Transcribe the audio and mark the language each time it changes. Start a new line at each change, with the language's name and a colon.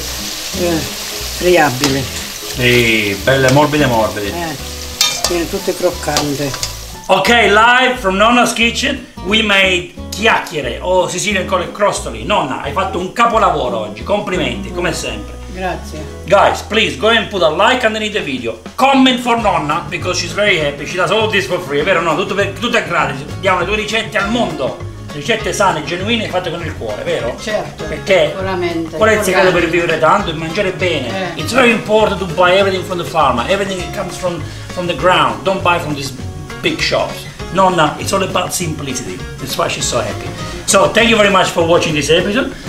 Italian: Friabile. Sì, belle, morbide, morbide. Viene tutte croccante.
English: Ok, live from Nonna's Kitchen, we made chiacchiere, Sicilian
Italian: con le crostoli. Nonna, hai fatto un capolavoro oggi, complimenti, come sempre. Grazie.
English: Guys, please, go and put a like underneath the video, comment for Nonna, because she's very happy, she does all this for free,
Italian: vero no? Tutto è gratis, diamo le tue ricette al mondo. Ricette sane, genuine, fatte con il cuore, vero? Certo, perché sicuramente. Qual è il segreto per vivere tanto e mangiare bene?
English: It's very important to buy everything from the farmer, everything that comes from the ground. Don't buy from these big shops. Nonna, it's all about simplicity. That's why she's so happy. So, thank you very much for watching this episode.